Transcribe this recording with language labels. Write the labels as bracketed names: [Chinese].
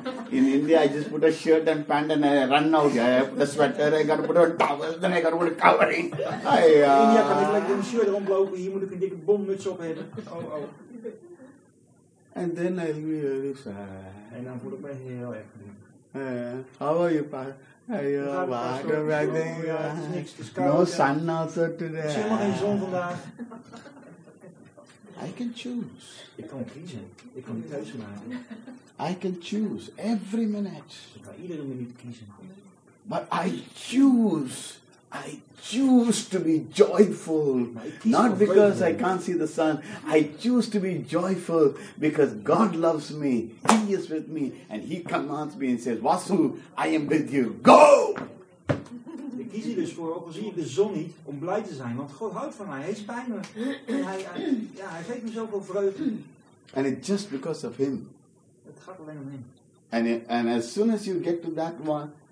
[English] In India, I just put a shirt and pant and I run out. I put a sweater, I got to put a towel, then I got to put a covering. [Dutch] In India, kan ik lekker een shirt omlopen, hier moet ik een dikke bommuts op hebben. Oh, oh. [English] And then I'll be really sad. [Dutch] En dan voel ik me heel erg verdrietig. [English] How are you, Pat? Water back there. [Dutch] Ja, is niks, [English] no sun also today. [Dutch] Er is helemaal geen zon vandaag. [English] I can choose. [Dutch] Ik kan kiezen. Ik kan niet keuze maken. [English] I can choose every minute. [Dutch] Ik kan iedere minuut kiezen. [English] But I choose. I choose to be joyful, not because I can't see the sun. I choose to be joyful because God loves me. He is with me, and He commands me and says, "Vasu, I am with you. Go." [Dutch] Ik kies hier dus voor, ook al zie ik de zon niet, om blij te zijn, want God houdt van mij. Hij is bij me. Hij geeft me zoveel vreugde. [English] And it's just because of Him. [Dutch] Het gaat alleen om Hem. [English] And as soon as you get to that one,